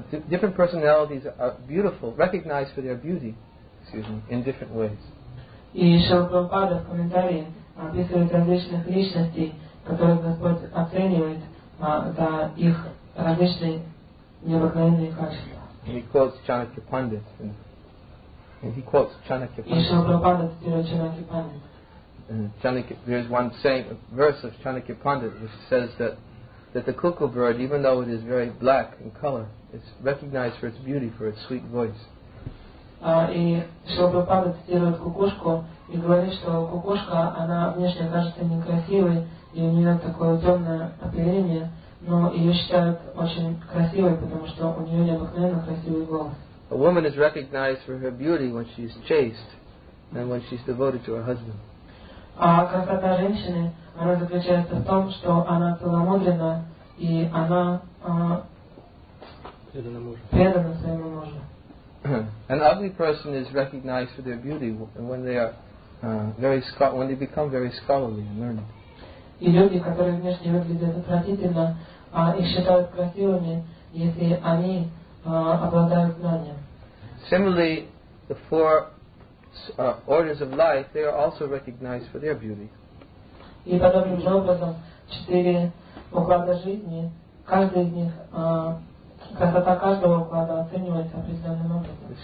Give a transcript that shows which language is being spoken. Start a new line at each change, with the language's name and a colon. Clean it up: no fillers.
English: Different personalities are beautiful, recognized for their beauty, in different ways.
Russian: И Шрила Прабхупада в комментарии описывает различных личностей, которых Господь оценивает за их различные необыкновенные качества.
English: And he quotes Chanakya Pandit.
Russian: И Шрила Прабхупада цитирует Чанакья Пандита.
English: There is one saying, a verse of Chanakya Pandit, which says that the cuckoo bird, even though it is very black in color, is recognized for its beauty, for its sweet voice.
Russian: И Шрила Прабхупада цитирует кукушку и говорит, что кукушка, она внешне кажется некрасивой, и у нее такое темное оперение, но ее считают очень красивой, потому что у нее необыкновенно красивый голос.
English: A woman is recognized for her beauty when she is chaste and when she is devoted to her husband.
Russian: А красота женщины, она заключается в том, что она целомудрена и она предана своему мужу.
English: An ugly person is recognized for their beauty when they are when they become very scholarly and learned.
Russian: И люди, которые внешне выглядят отвратительно, их считают красивыми, если они обладают знанием.
English: Similarly, the four orders of life, they are also recognized for their beauty.
Russian: И подобным же образом, четыре уклада жизни, каждый из них, красота каждого уклада оценивается определенным образом.